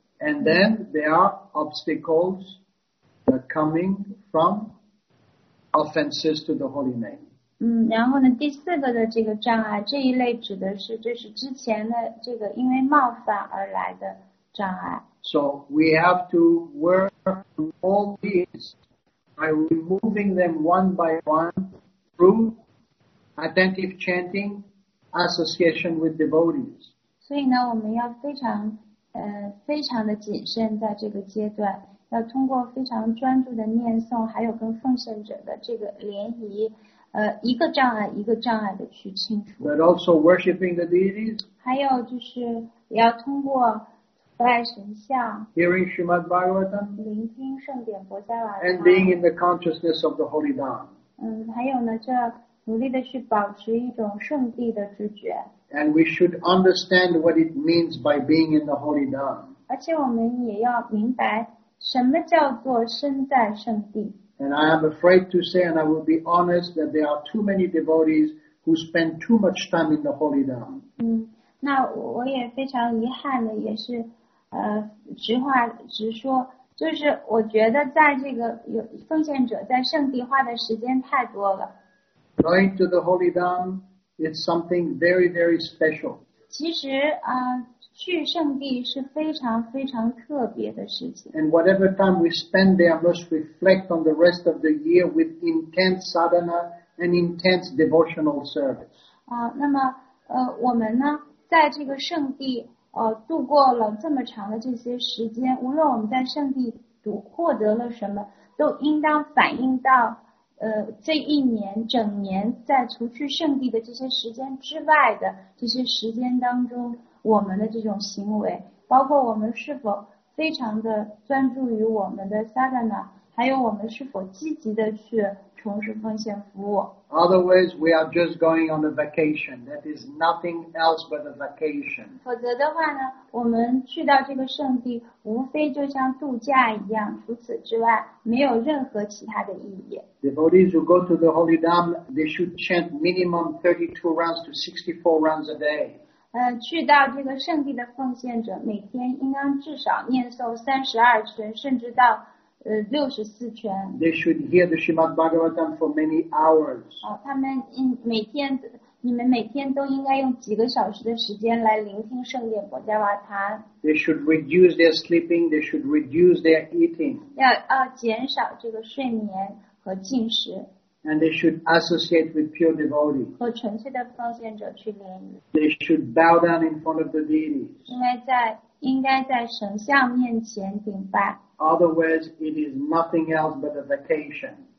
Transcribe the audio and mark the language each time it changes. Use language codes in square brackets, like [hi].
[en] And then there are obstacles coming from offenses to the holy name。 [zh] 然后呢，第四个的这个障碍，这一类指的是就是之前的这个因为冒犯而来的障碍。 [en] So we have to work on all these by removing them one by one through attentive chanting, association with devotees. [zh] 所以呢，我们要非常的谨慎，在这个阶段，要通过非常专注的念诵，还有跟奉献者的这个联谊。一个障碍一个障碍的去清除。 [en] But also worshipping the deities. [zh] 还有就是要通过崇拜神像。 [en] Hearing Srimad Bhagavatam. [zh] 聆听圣典佛伽瓦。 [en] And being in the consciousness of the holy dawn. [zh] 还有呢，就要努力的去保持一种圣地的知觉。 [en] And we should understand what it means by being in the holy dawn. [zh] 而且我们也要明白什么叫做身在圣地。 [en] And I am afraid to say, and I will be honest, that there are too many devotees who spend too much time in the holy dawn. [zh] 那我也非常遗憾的，也是，直话直说，就是我觉得在这个有奉献者在圣地花的时间太多了。 [en] Going to the holy dawn is something very, very special. [zh] 其实啊。去圣地是非常非常特别的事情。 [en] And whatever time we spend there must reflect on the rest of the year with intense sadhana and intense devotional service. [zh] 那么我们呢，在这个圣地度过了这么长的这些时间，无论我们在圣地获得了什么，都应当反映到这一年整年在除去圣地的这些时间之外的这些时间当中。我们的这种行为，包括我们是否非常的专注于我们的 sadhana， 还有我们是否积极的去从事奉献服务。 [en] Otherwise, we are just going on a vacation. That is nothing else but a vacation. [zh] 否则的话呢，我们去到这个圣地，无非就像度假一样，除此之外，没有任何其他的意义。 [en] Devotees who go to the holy dam, they should chant minimum 32 rounds to 64 rounds a day. [zh] 去到这个圣地的奉献者每天应当至少念诵32圈甚至到64圈。 [en] They should hear the Srimad Bhagavatam for many hours. [zh] 他们每天都应该用几个小时的时间来聆听圣典薄伽瓦坛。 [en] They should reduce their sleeping, they should reduce their eating. [zh] 要减少这个睡眠和进食。 [en] And they should associate with pure devotees. [zh] 和纯粹的奉献者去联谊。 [en] They should bow down in front of the deities. [zh] 应该在神像面前顶拜。 [en] Otherwise, it is nothing else but a vacation.